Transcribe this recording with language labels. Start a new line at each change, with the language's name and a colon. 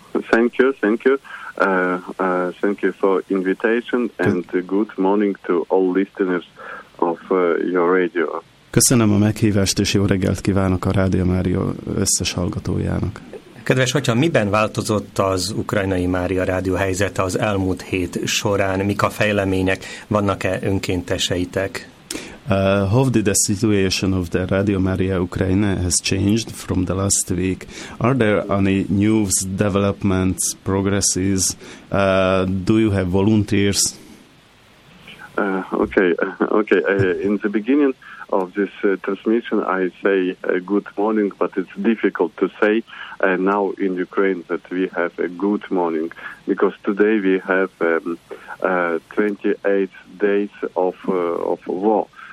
English: Thank you for invitation and good morning to all listeners of your radio.
Hungarian: Köszönöm a meghívást és jó reggelt kívánok a Rádio Mária összes hallgatójának. Kedves atya, miben változott az ukrajnai Mária Rádió helyzete az elmúlt hét során? Mik a fejlemények? Vannak-e önkénteseitek?
English: How did the situation of the Radio Maria Ukraine has changed from the last week? Are there any news, developments, progresses? Do you have volunteers? Okay. In the beginning of this transmission, I say good morning, but it's difficult to say now in Ukraine that we have a good morning, because today we have 28 days of war.